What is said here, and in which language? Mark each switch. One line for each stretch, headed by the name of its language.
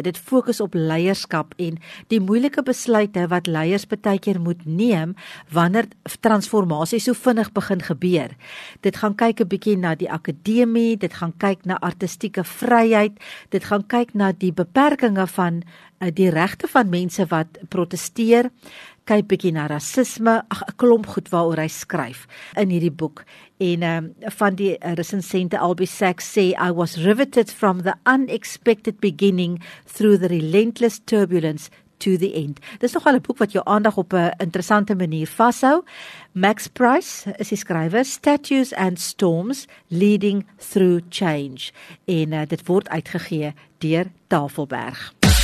Afrikaans: Dit fokus op leierskap en die moeilike besluite wat leiers baie keer moet neem wanneer transformasie so vinnig begin gebeur. Dit gaan kyk 'n bietjie na die akademie, dit gaan kyk na artistieke vryheid, dit gaan kyk na die beperkinge van die regte van mense wat protesteer, kyk bietjie na rasisme, 'n klomp goed waaroor hy skryf in hierdie boek. En van die resensente Albie Sachs sê,
English: I was riveted from the unexpected beginning through the relentless turbulence to the end.
Afrikaans: Dit is nogal 'n boek wat jou aandag op 'n interessante manier vashou. Max Price is die skrywer, Statues and Storms Leading Through Change. En dit word uitgegee deur Tafelberg.